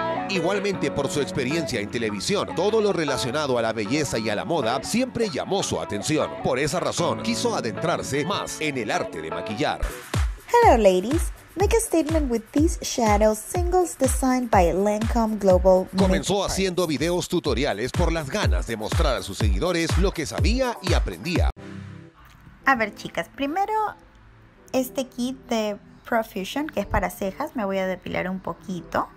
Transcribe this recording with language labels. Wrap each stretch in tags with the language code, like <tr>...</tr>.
<es>Igualmente por su experiencia en televisión, todo lo relacionado a la belleza y a la moda siempre llamó su atención. Por esa razón, quiso adentrarse más en el arte de maquillar.</es> <en>Hello ladies, make a statement with these shadow singles designed by Lancome Global.</en> <es>Comenzó haciendo videos tutoriales por las ganas de mostrar a sus seguidores lo que sabía y aprendía. A ver chicas, primero este kit de Profusion, que es para cejas, me voy a depilar un poquito.</es>